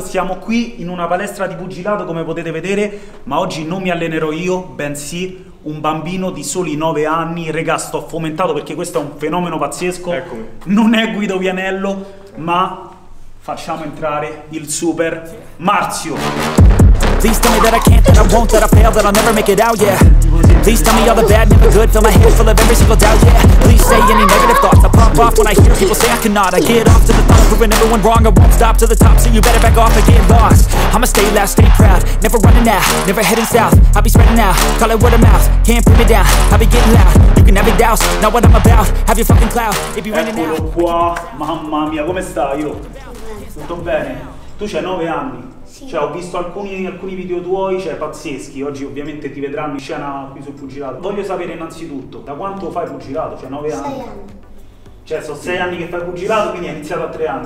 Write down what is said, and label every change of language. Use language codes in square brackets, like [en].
[it] Siamo qui in una palestra di pugilato, come potete vedere, ma oggi non mi allenerò io, bensì un bambino di soli 9 anni. Regà, sto fomentato perché questo è un fenomeno pazzesco. Eccomi. Non è Guido Vianello, ma facciamo entrare il super Marzio. [en] Please tell me that I can't, that I won't, that I fail, that I'll never make it out, yeah. Please tell me all the bad, never good, fill my head full of every single doubt, yeah. Please say any negative thoughts, I pop off when I hear people say I cannot. I get off to the thought of proving everyone wrong. I won't stop to the top, so you better back off or get lost. I'ma stay loud, stay proud, never running out, never heading south. I'll be spreading out, call it word of mouth, can't put me down. I'll be getting loud, you can have your doubts, not what I'm about. Have your fucking clout, it be running out. [it] Eccolo qua, mamma mia, come stai io? Tutto bene? Tu c'hai 9 anni. Cioè, ho visto alcuni video tuoi, cioè pazzeschi. Oggi ovviamente ti vedranno in scena qui sul pugilato. Voglio sapere innanzitutto, da quanto fai pugilato? Cioè, 9 6 anni. anni. Cioè, sono 6 anni che fai pugilato, quindi hai iniziato a 3 anni.